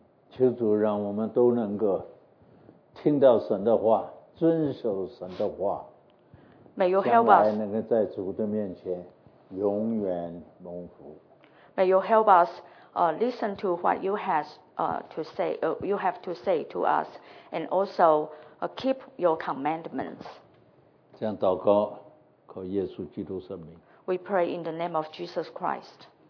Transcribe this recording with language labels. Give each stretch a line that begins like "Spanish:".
Chinese: 求主让我们都能够听到神的话，遵守神的话。
English: May you help us.
Chinese: 将来能够在主的面前永远蒙福。
English: May you help us listen to what you has to say. You have to say to us, and also keep your commandments.
Chinese: 这样祷告，靠耶稣基督圣名。
English: We pray in the name of Jesus Christ.